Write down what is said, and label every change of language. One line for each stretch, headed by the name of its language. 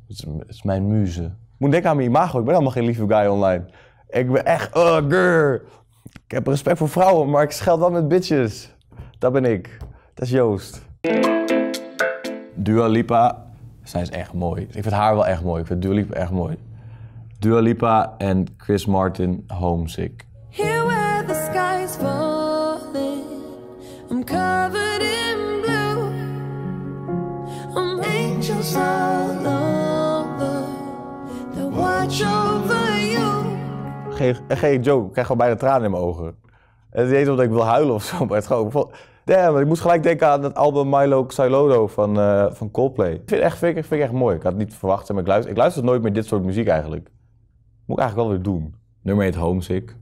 Dutch: Het is mijn muze. Ik moet denken aan mijn imago. Ik ben helemaal geen lieve guy online. Ik ben echt. Ik heb respect voor vrouwen, maar ik scheld wel met bitches. Dat ben ik. Dat is Joost. Dua Lipa. Zij is echt mooi. Ik vind haar wel echt mooi. Ik vind Dua Lipa echt mooi. Dua Lipa en Chris Martin, Homesick.
English: Here where the sky's falling, I'm covered in blue. I'm angels all over, they watch over you.
Dutch: Geen joke, ik krijg gewoon bijna tranen in mijn ogen. Het is niet eens omdat ik wil huilen of zo, maar het is gewoon. Damn, ik moest gelijk denken aan het album Milo Xylodo van Coldplay. Vind ik echt mooi, ik had het niet verwacht. Maar ik luister nooit meer dit soort muziek eigenlijk. Moet ik eigenlijk wel weer doen. Nummer 1 Homesick.